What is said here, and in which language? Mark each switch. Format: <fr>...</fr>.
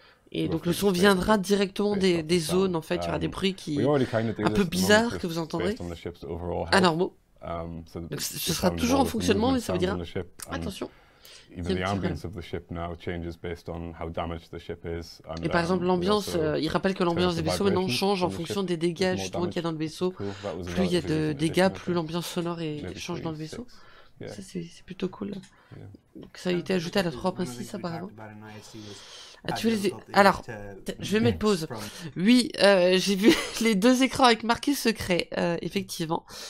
<fr>Et donc le son viendra directement des zones, en fait il y aura des bruits qui un peu bizarres que vous entendrez. Alors bon. Donc ce sera toujours en fonctionnement, mais ça veut dire attention.</fr> <en>Even the ambience of the ship now changes based on how damaged the ship is.</en> <fr>And, et par exemple, l'ambiance, il rappelle que l'ambiance des vaisseaux maintenant change en fonction des dégâts justement qu'il y a dans le vaisseau. Cool. Plus il y a de dégâts, plus l'ambiance sonore est, change dans le vaisseau. Yeah. Ça, c'est plutôt cool. Yeah. Donc, ça a été ajouté à la 3.6 apparemment. Ah, tu veux les... Alors, je vais mettre pause. Oui, j'ai vu les deux écrans avec marqué secret, effectivement.</fr>